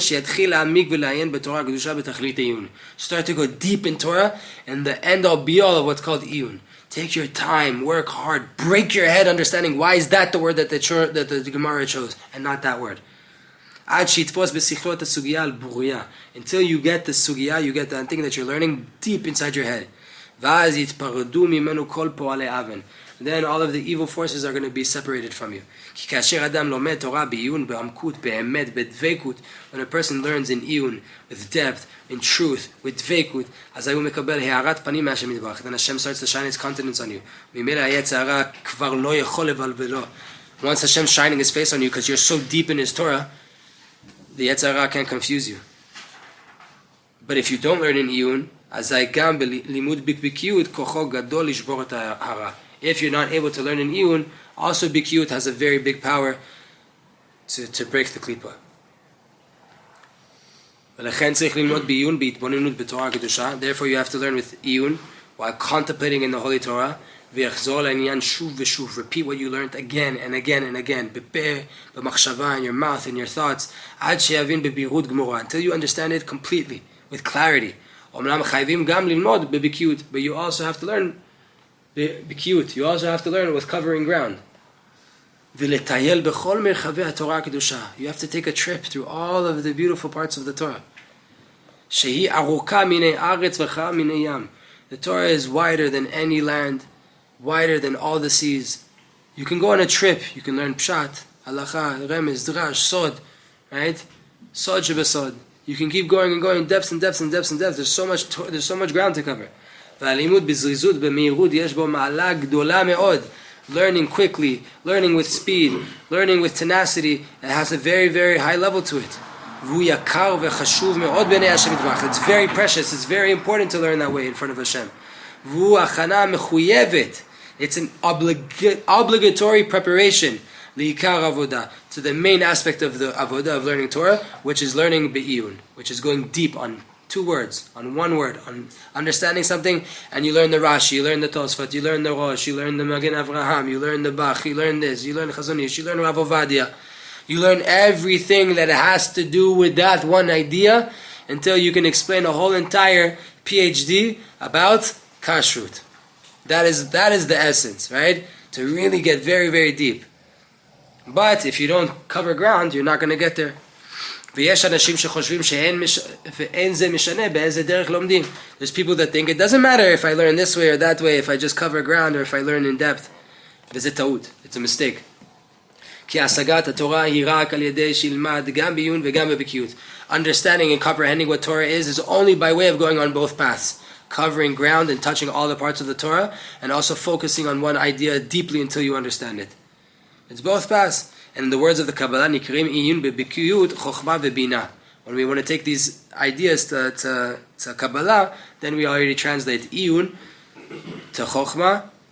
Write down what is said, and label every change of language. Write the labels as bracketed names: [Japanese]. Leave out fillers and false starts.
[English] Start to go deep in Torah, and the end all be all of what's called iyun. Take your time, work hard, break your head understanding why is that the word that the Gemara chose and not that word. Until you get the sugiyah, you get the thing that you're learning deep inside your head. [Hebrew] ואז יתפרדו ממנו כל פועלי אבן. [English] Then all of the evil forces are going to be separated from you. [Hebrew] כי כאשר אדם לומד תורה בעיון, בעמקות, באמת, בדבקות, [English] when a person learns in עיון, with depth, in truth, with דבקות, [Hebrew] אז הוא מקבל הערת פנים מהשם יתברך. [English] Then Hashem starts to shine his countenance on you. [Hebrew] ממילא היצר הרע כבר לא יכול לבלבלו. [English] Once Hashem shining his face on you because you're so deep in his Torah, the Yetzer HaRa can't confuse you. But if you don't learn in Iyun, [Hebrew] azay gam belimud bikbikiyut kocho gadol lishbor et ha'ara. [English] If you're not able to learn in Iyun, also bikiyut has a very big power to break the klipa. [Hebrew] ולכן צריך ללמוד ביון בהתבוננות בתורה הקדושה. [English] Therefore you have to learn with Iyun while contemplating in the Holy Torah. [Hebrew] ויחזור לעניין שוב ושוב. [English] Repeat what you learned again and again and again. [Hebrew] בפה, במחשבה, [English] in your mouth, in your thoughts. [Hebrew] עד שיבין בבירות גמורה. [English] Until you understand it completely, with clarity. [Hebrew] אומנם חייבים גם ללמוד בבקיאות. [English] But you also have to learn בבקיאות. You also have to learn with covering ground. [Hebrew] ולטייל בכל מרחבי התורה הקדושה. [English] You have to take a trip through all of the beautiful parts of the Torah. [Hebrew] שהיא ארוכה מיני ארץ וחרה מיני ים. [English] The Torah is wider than any land, wider than all the seas. You can go on a trip, you can learn pshat, halakha, remez, drash, sod, right? Sod shebesod. You can keep going and going, depths and depths and depths and depths. There's so much ground to cover. [Hebrew] והלימוד בזריזות, במהירות, יש בו מעלה גדולה מאוד. [English] Learning quickly, learning with speed, learning with tenacity, it has a very, very high level to it. [Hebrew] והוא יקר וחשוב מאוד בעיני השם יתברך. [English] It's very precious, it's very important to learn that way in front of Hashem. [Hebrew] והוא הכנה מחויבת. [English] It's an obligatory preparation [Hebrew] לעיקר עבודה, [English] to the main aspect of the avoda of learning Torah, which is learning be'iyun, which is going deep on two words, on one word, on understanding something, and you learn the Rashi, you learn the Tosfot, you learn the Rosh, you learn the Magen Avraham, you learn the Bach, you learn this, you learn Chazon Ish, you learn Rav Ovadia. You learn everything that has to do with that one idea until you can explain a whole entire PhD about Kashrut. That is the essence, right? To really get very, very deep. But if you don't cover ground, you're not going to get there. [Hebrew] ויש אנשים שחושבים שאין זה משנה באיזה דרך לומדים. [English] There's people that think it doesn't matter if I learn this way or that way, if I just cover ground or if I learn in depth. [Hebrew] וזה טעות. [English] It's a mistake. [Hebrew] כי השגת התורה היא רק על ידי שילמד גם ביון וגם בבקיאות. [English] Understanding and comprehending what Torah is only by way of going on both paths. Covering ground and touching all the parts of the Torah, and also focusing on one idea deeply until you understand it. It's both paths. And in the words of the Kabbalah, [Hebrew] Nikrim Iyun Bebikiyut Chokhmah Vebina. [English] When we want to take these ideas to Kabbalah, then we already translate Iyun to Chokhmah.